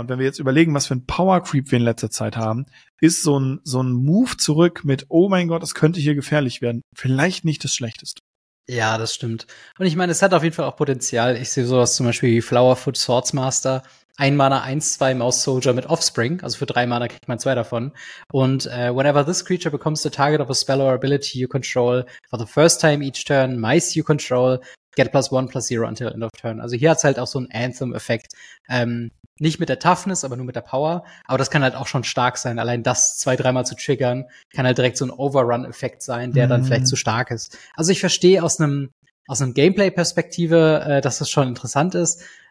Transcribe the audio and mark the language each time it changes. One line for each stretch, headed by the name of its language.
German: Und wenn wir jetzt überlegen, was für ein Power Creep wir in letzter Zeit haben, ist so ein Move zurück mit, oh mein Gott, das könnte hier gefährlich werden, vielleicht nicht das Schlechteste. Ja, das stimmt. Und ich meine, es hat auf jeden Fall auch Potenzial. Ich sehe sowas zum Beispiel wie Flowerfoot Swordsmaster. Ein Mana, 1/2 Mouse Soldier mit Offspring. Also für 3 Mana kriegt man 2 davon. Und
English: whenever this creature becomes the target of a spell or ability you control for the first time each turn, mice you control, get +1/+0 until end of turn.
German: Also hier hat's halt auch so einen Anthem-Effekt. Nicht mit der Toughness, aber nur mit der Power. Aber das kann halt auch schon stark sein. Allein das 2-3 Mal zu triggern, kann halt direkt so ein Overrun-Effekt sein, der dann vielleicht zu stark ist. Also ich verstehe aus einem Gameplay-Perspektive, dass das schon interessant ist.